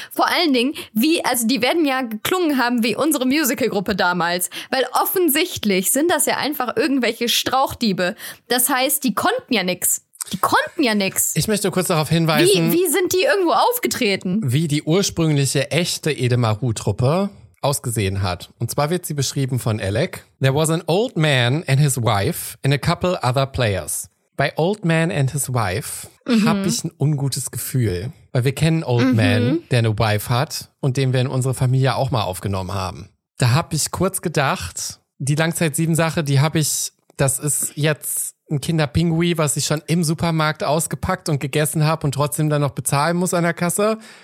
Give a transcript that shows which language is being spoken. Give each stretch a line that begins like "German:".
German: Vor allen Dingen, wie, also die werden ja geklungen haben wie unsere Musicalgruppe damals. Weil offensichtlich sind das ja einfach irgendwelche Strauchdiebe. Das heißt, die konnten ja nix. Die konnten ja nix. Ich möchte kurz darauf hinweisen. Wie sind die irgendwo aufgetreten? Wie die ursprüngliche echte Edemaru-Truppe ausgesehen hat. Und zwar wird sie beschrieben von Alec.
English: There was an old man and his wife and a couple other players.
German: Bei
English: Old Man and His Wife
German: habe ich ein ungutes Gefühl. Weil wir kennen Old Man, der eine Wife hat und den wir in unsere Familie auch mal aufgenommen haben. Da habe ich kurz gedacht, die Langzeit-7-Sache, die habe ich, das ist jetzt ein Kinder-Pingui, was ich schon im Supermarkt ausgepackt und gegessen habe und trotzdem dann noch bezahlen muss an der Kasse.